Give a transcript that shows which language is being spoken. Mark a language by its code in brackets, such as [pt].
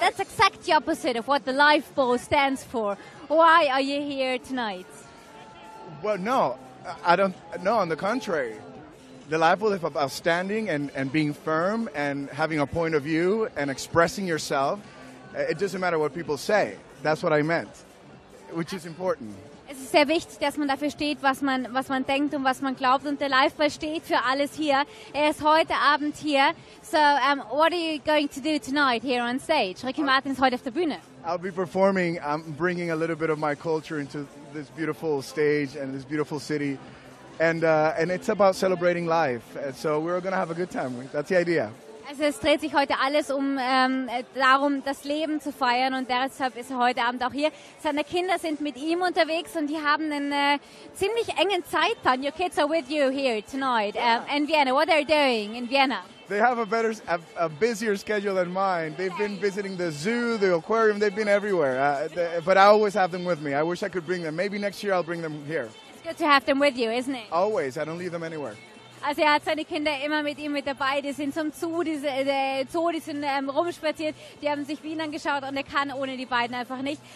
[en] That's exactly the opposite of what the Life Ball stands for. Why are you here tonight? Well, no. I don't. No, on the contrary. The Life Ball is about standing and being firm and having a point of view and expressing yourself. It doesn't matter what people say. That's what I meant, which is important. [de] Es ist sehr wichtig, dass man dafür steht, was man denkt und was man glaubt. Und der Life Ball steht für alles hier. Er ist heute Abend hier. [en] So, what are you going to do tonight here on stage? [de] Ricky Martin ist heute auf der Bühne. [en] I'll be performing. I'm bringing a little bit of my culture into this beautiful stage and this beautiful city. And it's about celebrating life. So we're going to have a good time. That's the idea. [de] Also es dreht sich heute alles um darum, das Leben zu feiern, und deshalb ist er heute Abend auch hier. Seine Kinder sind mit ihm unterwegs und die haben einen ziemlich engen Zeitplan. [en] Your kids are with you here tonight in Vienna. What are they doing in Vienna? They have a busier schedule than mine. They've been visiting the zoo, the aquarium. They've been everywhere. But I always have them with me. I wish I could bring them. Maybe next year I'll bring them here. It's good to have them with you, isn't it? Always. I don't leave them anywhere. [de] Also er hat seine Kinder immer mit ihm mit dabei, die sind zum Zoo, die sind rumspaziert, die haben sich Wien angeschaut, und er kann ohne die beiden einfach nicht.